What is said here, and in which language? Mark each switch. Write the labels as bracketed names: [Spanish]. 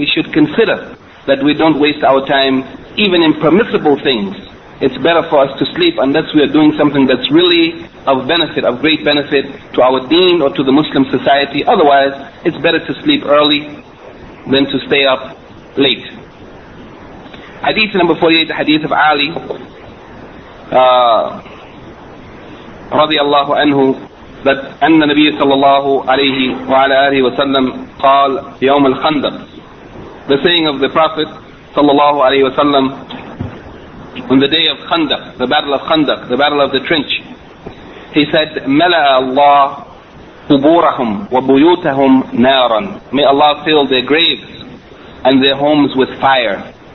[English] We should consider that we don't waste our time even in permissible things. It's better for us to sleep unless we are doing something that's really of benefit, of great benefit to our deen or to the Muslim society. Otherwise, it's better to sleep early than to stay up late. Hadith number 48, the hadith of Ali [Arabic] رضي الله عنه that أن النبي صلى الله عليه وعلى آله وسلم قال يوم الخندق. [English] The saying of the Prophet صلى الله عليه وسلم on the day of Khandaq, the battle of Khandaq, the battle of the trench, he said [Arabic] مَلَأَ اللَّهُ قُبُورَهُمْ وَبُيُوتَهُمْ نَارًا. [English] May Allah fill their graves and their homes with fire.